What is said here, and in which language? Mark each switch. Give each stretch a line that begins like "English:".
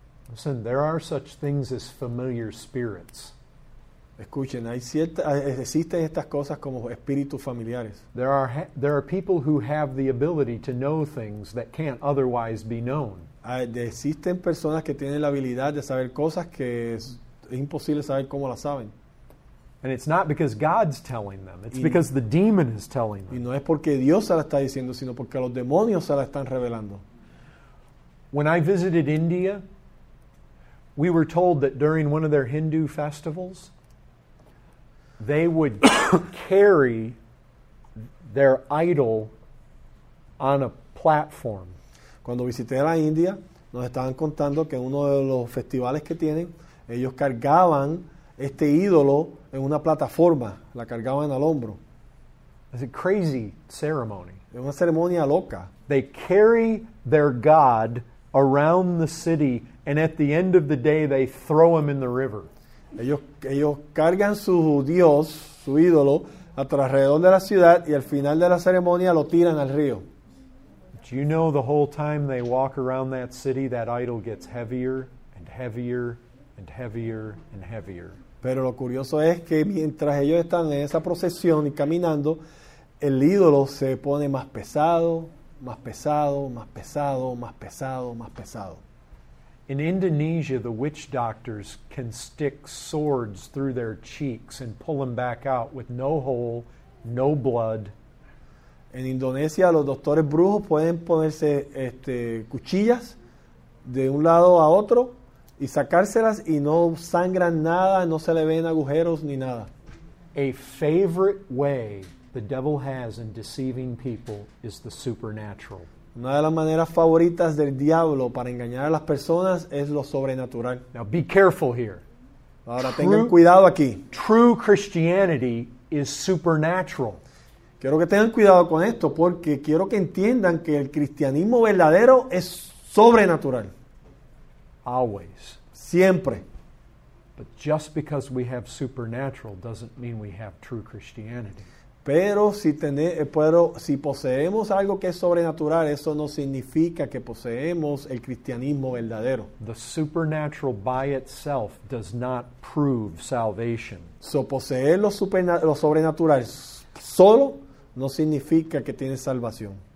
English: Listen, there are such things as familiar spirits.
Spanish: Escuchen, existen estas cosas como espíritus familiares.
English: There are people who have the ability to know things that can't otherwise be known.
Spanish: Existen personas que tienen la habilidad de saber cosas que es imposible saber cómo las saben.
English: And it's not because God's telling them. It's because the demon is telling them.
Spanish: Y no es porque Dios se la está diciendo, sino porque los demonios se la están revelando.
English: When I visited India, we were told that during one of their Hindu festivals, they would carry their idol on a platform.
Spanish: Cuando visité la India, nos estaban contando que en uno de los festivales que tienen, ellos cargaban este ídolo en una plataforma, la cargaban al hombro.
English: It's a crazy ceremony.
Spanish: Es una ceremonia loca.
English: They carry their god around the city And at the end of the day, they throw him in the river.
Spanish: Ellos cargan su Dios, su ídolo, a alrededor de la ciudad y al final de la ceremonia lo tiran al río.
English: Do you know the whole time they walk around that city, that idol gets heavier and heavier and heavier and heavier?
Spanish: Pero lo curioso es que mientras ellos están en esa procesión y caminando, el ídolo se pone más pesado, más pesado, más pesado, más pesado, más pesado.
English: In Indonesia, the witch doctors can stick swords through their cheeks and pull them back out with no hole, no blood.
Spanish: En Indonesia, los doctores brujos pueden ponerse cuchillas de un lado a otro y sacárselas y no sangran nada, no se le ven agujeros ni nada.
English: A favorite way the devil has in deceiving people is the supernatural.
Spanish: Una de las maneras favoritas del diablo para engañar a las personas es lo sobrenatural.
English: Now be careful here.
Spanish: Ahora tengan cuidado aquí.
English: True Christianity is supernatural.
Spanish: Quiero que tengan cuidado con esto porque quiero que entiendan que el cristianismo verdadero es sobrenatural.
English: Always.
Spanish: Siempre.
English: But just because we have supernatural doesn't mean we have true Christianity.
Spanish: Pero si poseemos algo que es sobrenatural, eso no significa que poseemos el cristianismo verdadero.
English: The supernatural by itself does not prove salvation.
Spanish: So poseer lo sobrenatural solo no significa que tienes salvación.